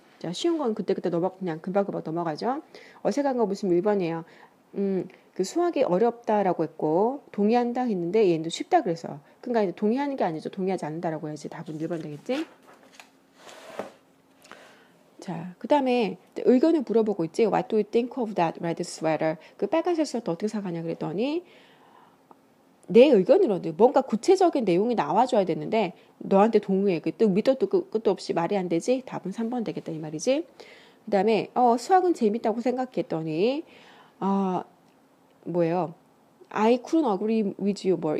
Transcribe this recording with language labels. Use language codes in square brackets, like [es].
[ko] 자, 쉬운 건 그때그때 넘어, 그냥 금방금방 넘어가죠? 어색한 거 보시면 1번이에요. 그 수학이 어렵다라고 했고, 동의한다 했는데 얘는 쉽다 그래서. 그러니까 이제 동의하는 게 아니죠. 동의하지 않는다라고 해야지 답은 1번 되겠지? 자, 그 다음에 의견을 물어보고 있지. [en] What do you think of that red sweater? [ko] 그 빨간 셔츠를 어떻게 생각하냐 그랬더니 내 의견으로는 뭔가 구체적인 내용이 나와줘야 되는데 너한테 동의해. 밑도 끝도 없이 말이 안 되지. 답은 3번 되겠다 이 말이지. 그 다음에 수학은 재밌다고 생각했더니 [en] I couldn't agree with you more.